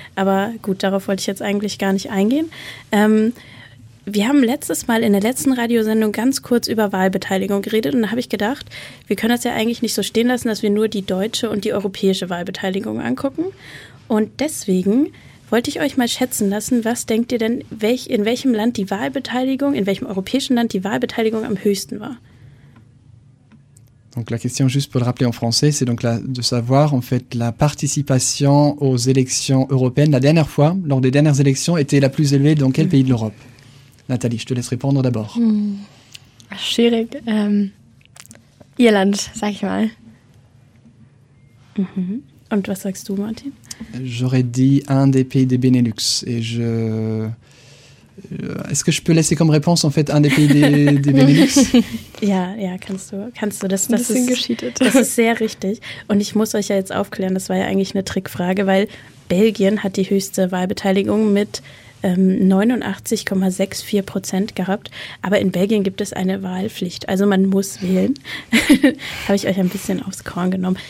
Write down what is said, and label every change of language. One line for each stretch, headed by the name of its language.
German: Aber gut, darauf wollte ich jetzt eigentlich gar nicht eingehen. Wir haben letztes Mal in der letzten Radiosendung ganz kurz über Wahlbeteiligung geredet, und da habe ich gedacht, wir können das ja eigentlich nicht so stehen lassen, dass wir nur die deutsche und die europäische Wahlbeteiligung angucken. Und deswegen wollte ich euch mal schätzen lassen, was denkt ihr denn, in welchem europäischen Land die Wahlbeteiligung am höchsten war?
French: Donc la question, juste pour le rappeler en français, c'est donc de savoir en fait la participation aux élections européennes la dernière fois, lors des dernières élections, était la plus élevée dans quel pays de l'Europe? Nathalie, je te laisse répondre d'abord.
German: Schwierig. Irland, sag ich mal. Und was sagst du, Martin?
French: J'aurais dit un des pays des Benelux. Et je... Est-ce que je peux laisser comme réponse, en fait, un des pays des Benelux?
German: Ja, kannst du. Das ist gescheatet. Das ist sehr richtig. Und ich muss euch ja jetzt aufklären, das war ja eigentlich eine Trickfrage, weil Belgien hat die höchste Wahlbeteiligung mit 89,64% gehabt. Aber in Belgien gibt es eine Wahlpflicht. Also man muss wählen. Habe ich euch ein bisschen aufs Korn genommen.